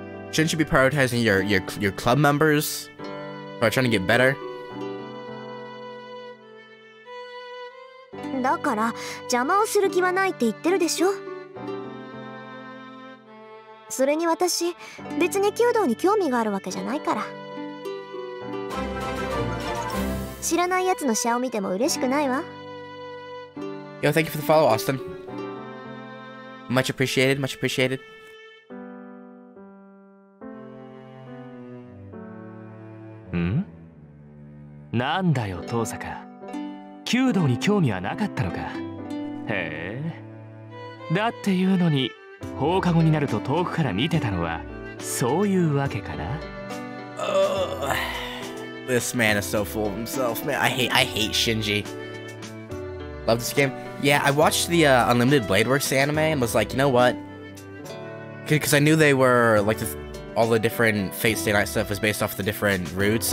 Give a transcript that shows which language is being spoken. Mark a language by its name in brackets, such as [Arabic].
[English] Shouldn't you be prioritizing your club members who are trying to get better? [Japanese] だから邪魔をする気はないって言ってるでしょ。それに私、別に弓道に興味があるわけじゃないから。知らない奴のシャを見ても嬉しくないわ。 [English] Yo, thank you for the follow, Austin. Much appreciated, much appreciated. [Japanese] ん？なんだよ、トーサカ。弓道に興味はなかったのか。へえ。だっていうのに、放課後になると遠くから見てたのは、そういうわけかな。 [English] This man is so full of himself, man. I hate Shinji. Love this game. Yeah, I watched the Unlimited Bladeworks anime and was like, you know what? Because I knew they were, like, all the different Fate Stay Night stuff was based off the different routes.